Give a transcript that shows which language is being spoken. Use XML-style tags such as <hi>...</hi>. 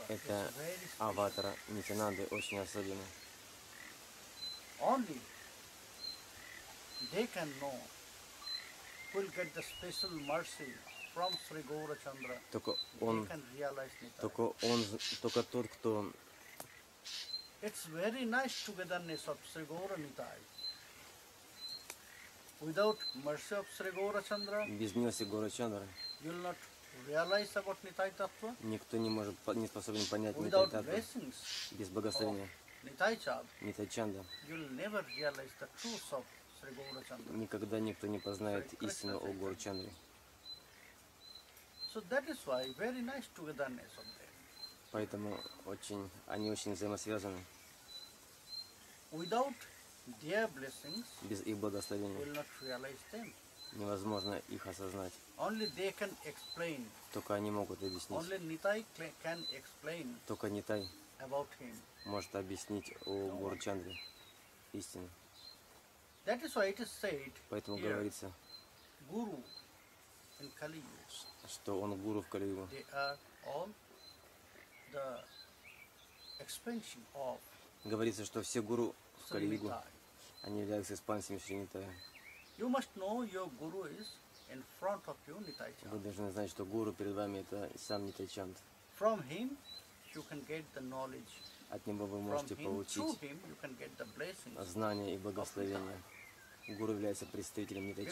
<ru>это аватар Нитянанды очень особенный.</ru> <en>Only they can know. Will get the special mercy from Sri Gaura Chandra.</en> <ru>Только он, только он, только тот, кто.</ru> <en>It's very nice togetherness of Sri Gaura Nitai. Without mercy of Sri Gaura Chandra.</en> <ru>Без милости Гаура Чандры.</ru> <en>You'll not realize about Nitai Tattva.</en> <ru>Никто не может, не способен понять</ru> <en>Nitai Tattva. Without blessings.</en> <ru>Без благословения.</ru> <en>Nitai Chand. Nitai Chanda. You'll never realize the truth of.</en> <ru>Никогда никто не познает истину о Гуру Чандре.</ru> <en>So that is why very nice togetherness of them.</en> <ru>Поэтому очень, они очень взаимосвязаны.</ru> <en>Without their blessings,</en> <ru>без их благословения,</ru> <en>will not realize them.</en> <ru>Невозможно их осознать.</ru> <en>Only they can explain.</en> <ru>Только они могут объяснить.</ru> <en>Only Nitai can explain.</en> <ru>Только Нитай</ru> <en>about him.</en> <ru>Может объяснить о Гуру Чандре истину.</ru> <en>That is why it is said.</en> <ru>Поэтому говорится,</ru> <en>Guru in Kali Yuga.</en> <ru>Что он гуру в Кали Юге.</ru> <en>They are all the expansion of.</en> <ru>Говорится, что все гуру в Кали Юге. Они являются экспансиями Шри Нитая.</ru> <en>You must know your guru is in front of you, Nitai Chand.</en> <ru>Вы должны знать, что гуру перед вами это сам Нитай Чанд.</ru> <en>From him you can get the knowledge.</en> <ru>От него вы можете получить знания и благословения. Гуру является представителем Нитай</ru>